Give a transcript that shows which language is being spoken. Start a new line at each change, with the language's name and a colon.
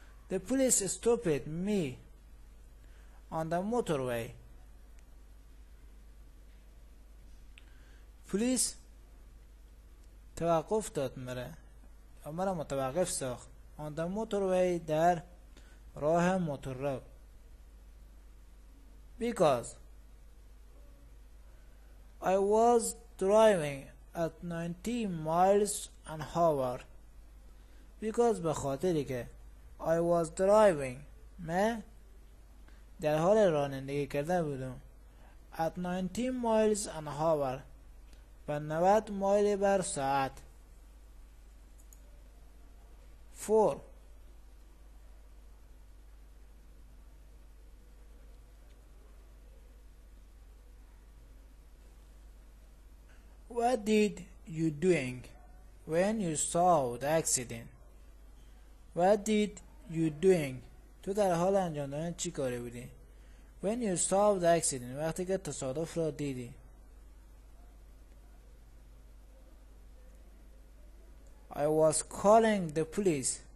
English: The police stopped me on the motorway.
Persian: پلیس توقف داد مره، مره متوقف ساخت. On the motorway، در راه موتور رو.
English: Because I was driving at 90 miles an hour.
Persian: Because به خاطری که
English: I was driving،
Persian: من در حال رانندگی کرده بودم.
English: At 90 miles an hour،
Persian: و 90 مایل بر ساعت. 4.
English: What did you doing when you saw the accident? What did you doing؟
Persian: تو در حال انجام دادن چی کاری بودی؟
English: When you saw the accident،
Persian: وقتی که تصادف را دیدی.
English: I was calling the police.